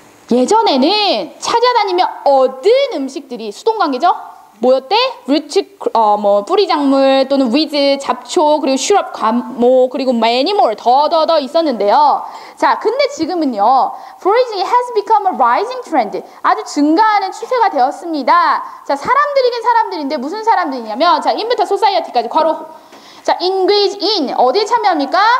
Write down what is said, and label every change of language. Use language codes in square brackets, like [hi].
[ko] 예전에는 찾아다니며 얻은 음식들이 수동 관계죠? 뭐였대? root 뭐 뿌리 작물 또는 with 잡초 그리고 shrub 뭐 그리고 many more 더더더 있었는데요. 자, 근데 지금은요. [en] foraging has become a rising trend. [ko] 아주 증가하는 추세가 되었습니다. 자, 사람들이긴 사람들인데 무슨 사람들이냐면 자, in부터 society까지 괄호. 자, engage in 어디에 참여합니까?